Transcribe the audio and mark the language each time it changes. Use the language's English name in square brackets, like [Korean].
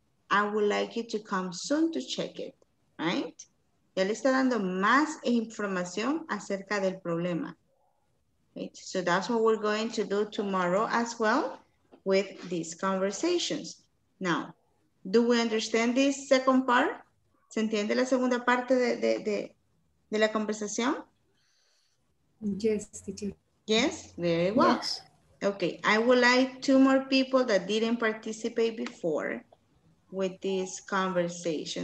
[English] I would like you to come soon to check it, right? [Spanish] Ya le está dando más información acerca del problema. [English] Right? So that's what we're going to do tomorrow as well with these conversations. Now, do we understand this second part? [Spanish] ¿Se entiende la segunda parte de la conversación? [English] Yes, teacher. Yes, very well. Yes. Okay, I would like two more people that didn't participate before with this conversation.